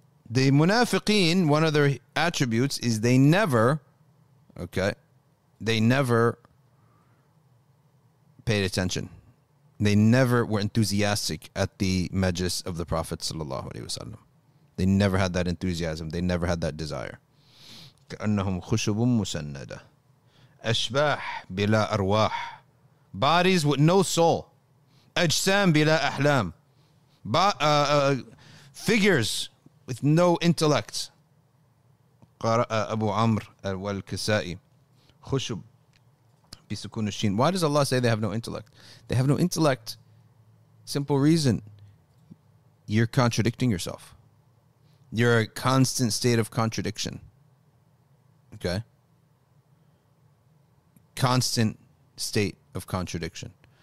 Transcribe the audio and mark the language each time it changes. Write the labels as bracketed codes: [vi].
[en] The munafiqeen, one of their attributes is they never, okay, they never paid attention. They never were enthusiastic at the majlis of the Prophet sallallahu alaihi wasallam. They never had that enthusiasm. They never had that desire. [ar] كأنهم خشب مسندة أشباح بلا أرواح. [en] Bodies with no soul. [ar] أجسام بلا أحلام. [en] Figures with no intellect. [ar] قرأ أبو عمر والكسائي خشب بسكون الشين. [en] Why does Allah say they have no intellect? They have no intellect. Simple reason. You're contradicting yourself. You're a constant state of contradiction. Okay? Constant state of contradiction.